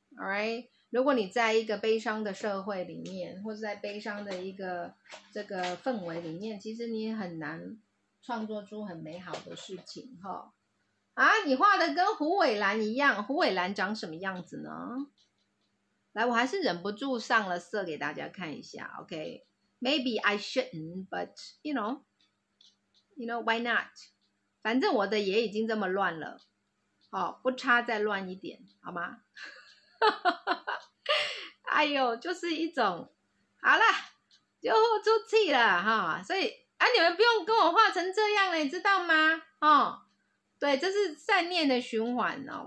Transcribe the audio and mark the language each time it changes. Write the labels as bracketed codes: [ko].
[zh] All right， 如果你在一个悲伤的社会里面，或是在悲伤的一个这个氛围里面，其实你很难。创作出很美好的事情哈、哦，啊，你画的跟胡伟兰一样，胡伟兰长什么样子呢？来，我还是忍不住上了色给大家看一下 ，OK？ [en] Maybe I shouldn't, but you know why not？ [zh] 反正我的也已经这么乱了，哦，不差再乱一点，好吗？哎呦，就是一种，好了，就豁出气了哈、哦，所以。啊，你们不用跟我画成这样了，你知道吗？哦，对，这是善念的循环哦。